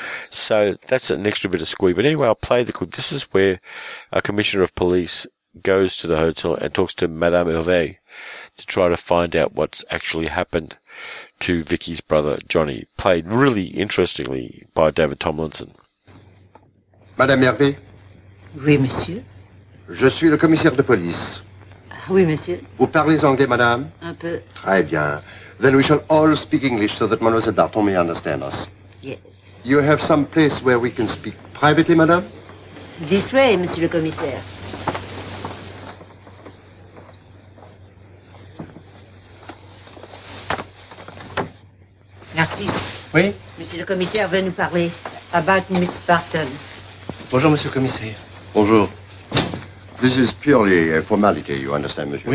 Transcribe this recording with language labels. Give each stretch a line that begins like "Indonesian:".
English: So that's an extra bit of squee. But anyway, I'll play the clip. This is where a commissioner of police goes to the hotel and talks to Madame Hervé to try to find out what's actually happened to Vicky's brother, Johnny, played really interestingly by David Tomlinson.
French: Madame Hervé? Oui, monsieur. Je suis le commissaire de police. Oui, monsieur. Vous parlez anglais, madame? Un peu. Très bien.
English: Then we shall all speak English so that Mademoiselle Barton may understand us. Yes. You have some place where we can speak privately, madame? This way,
French: monsieur le commissaire. Narcisse. Oui? Monsieur le commissaire veut nous parler
English: about Miss Barton.
French: Bonjour, monsieur le commissaire. Bonjour.
English: This is purely a formality, you understand, monsieur?